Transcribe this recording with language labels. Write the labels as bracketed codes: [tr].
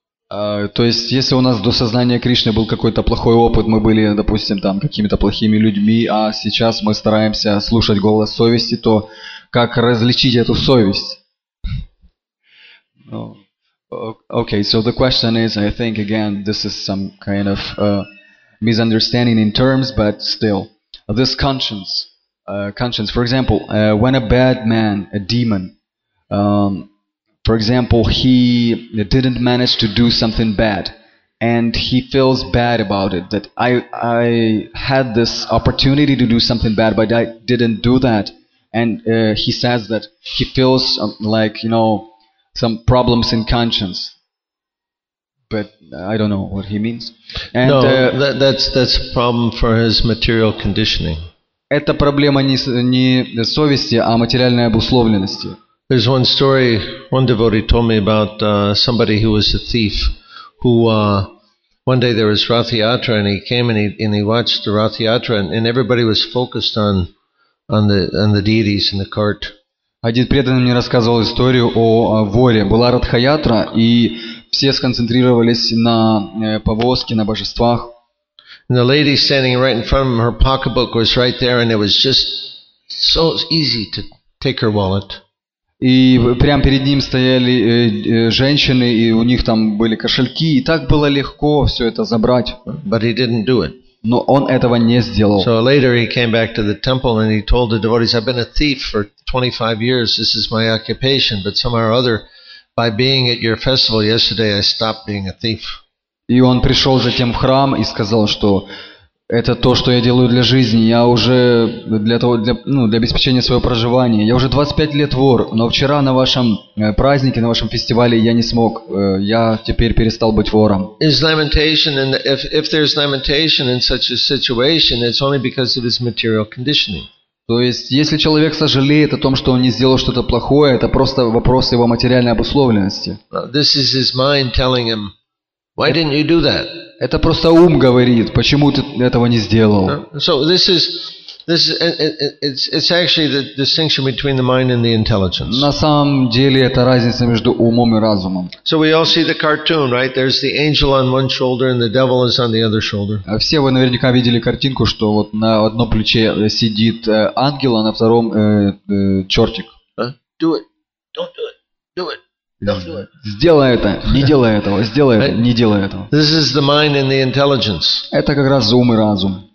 [ru] То есть, если у нас до сознания Кришны был какой-то плохой опыт, мы были, допустим, там какими-то плохими людьми, а сейчас мы стараемся слушать голос совести, то как различить эту совесть? [en] No. Okay, so the question is, I think again, this is some kind of misunderstanding in terms, but still, this conscience. Conscience. For example, when a bad man, a demon, for example, he didn't manage to do something bad, and he feels bad about it, that I had this opportunity to do something bad, but I didn't do that, and he says that he feels like, you know, some problems in conscience. But I don't know what he means. And, no, that's a problem for his material conditioning. [ru] Это проблема не совести, а материальной обусловленности. [en] There's one story one devotee told me about somebody who was a thief, who one day there was Rath Yatra and he came and he watched the Rath Yatra and everybody was focused on the deities in the cart. [ru] Один преданный мне рассказывал историю о воре. Была Ратха Ятра, и все сконцентрировались на повозке, на божествах. [en] And the lady standing right in front of him, her pocketbook was right there, and it was just so easy to take her wallet. [ru] И прямо перед ним стояли женщины, и у них там были кошельки, и так было легко все это забрать. [en] But he didn't do it. [ru] Но он этого не сделал. [en] So later he came back to the temple and he told the devotees, "I've been a thief for 25 years. This is my occupation. But somehow or other, by being at your festival yesterday, I stopped being a thief." [ru] И он пришел затем в храм и сказал, что это то, что я делаю для жизни. Я уже для обеспечения своего проживания. Я уже 25 лет вор, но вчера на вашем празднике, на вашем фестивале я не смог. Я теперь перестал быть вором. [en] Is lamentation, and if there's lamentation in such a situation, it's only because of his material conditioning. [ru] То есть, если человек сожалеет о том, что он не сделал что-то плохое, это просто вопрос его материальной обусловленности. [en] This is his mind telling him. Why didn't you do that? [ru] Это просто ум говорит, почему ты этого не сделал? [en] So this is it's actually the distinction between the mind and the intelligence. [ru] На самом деле это разница между умом и разумом. [en] So we all see the cartoon, right? There's the angel on one shoulder and the devil is on the other shoulder. [ru] А все вы наверняка видели картинку, что вот на одном плече сидит ангел, а на втором чертик. [en] Do it. Don't do it. Do it. [ru] Сделай это, не делай этого, сделай это, не делай этого. [en] This is the mind and the intelligence. [ru] Это как раз ум и разум.